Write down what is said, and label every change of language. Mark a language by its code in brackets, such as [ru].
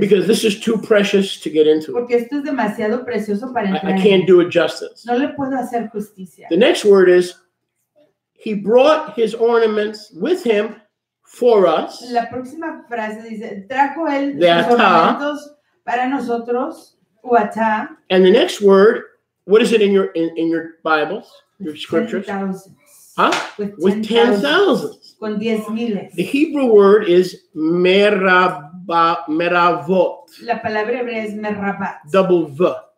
[en] Because this is too precious to get into. [es] Porque esto es demasiado precioso para entrar. [en] I can't do it justice. [es] No le puedo hacer justicia. [en] The next word is, he brought his ornaments with him for us. [es] La próxima frase dice, trajo él los ornamentos para nosotros. Uata. [en] And the next word, what is it in your Bibles, your scriptures? 10,000. Huh? With 10,000. [es] Con [en] the Hebrew word is meravot. [es] La palabra hebrea es meravot. [en] Double V.